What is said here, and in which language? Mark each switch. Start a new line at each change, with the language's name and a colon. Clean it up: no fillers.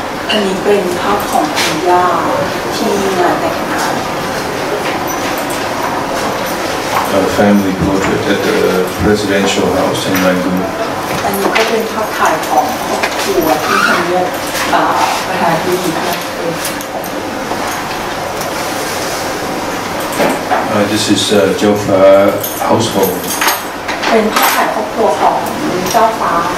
Thai: อันนี้เป็นภาพของคุณย่าที่มาแต่งงาน
English: A family portrait at the presidential house in Rangoon.
Thai: อันนี้ก็เป็นภาพถ่ายของครอบครัวที่ทำเนียบประธานที่ดีครับ
English: This is Jofa household.
Thai: เป็นภาพถ่ายครอบครัวของเจ้าฟ้า